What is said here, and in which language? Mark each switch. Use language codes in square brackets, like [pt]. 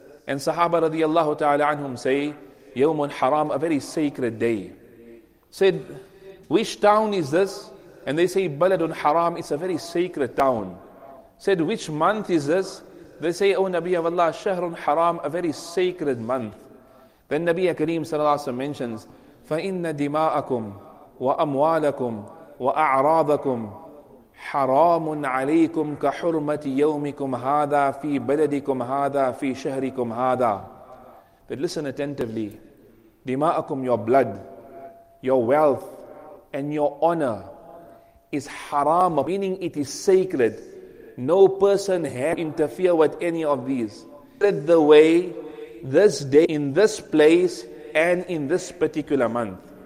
[en] And Sahaba radiallahu ta'ala anhum say, "Yawmun Haram, a very sacred day." Said, "Which town is this?" And they say, "Baladun Haram, it's a very sacred town." Said, "Which month is this?" They say, "Oh Nabi of Allah, Shahrun Haram, a very sacred month." Then Nabi Kareem sallallahu alayhi wa sallam mentions, [ar] فَإِنَّ دِمَاءَكُمْ وَأَمْوَالَكُمْ وَأَعْرَاضَكُمْ حَرَامٌ عَلَيْكُمْ كَحُرْمَةِ يَوْمِكُمْ هَذَا فِي بَلَدِكُمْ هَذَا فِي شَهْرِكُمْ هَذَا. [en] But listen attentively. Dima'akum, your blood, your wealth, and your honor is haram, meaning it is sacred. No person had interfere with any of these. Set the way, this day, in this place, and in this particular month.